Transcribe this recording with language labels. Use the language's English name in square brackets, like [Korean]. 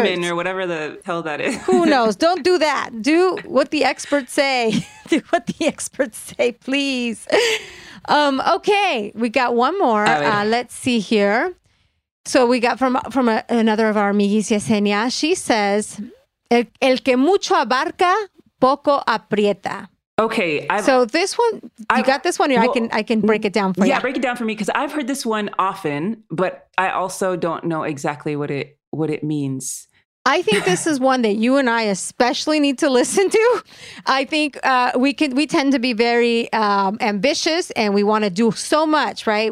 [English] Intervectamin or whatever the hell that is. Who knows? Don't do that. Do what the experts say. Do what the experts say, please. Okay, we got one more. Let's see here. So we got from another of our amigis, Yesenia. She says, [Spanish] el que mucho abarca, poco aprieta. [English] Okay. I can break it down for you. Yeah, break it down for me because I've heard this one often, but I also don't know exactly what it means. I think this is one that you and I especially need to listen to. I think we tend to be very ambitious and we want to do so much, right?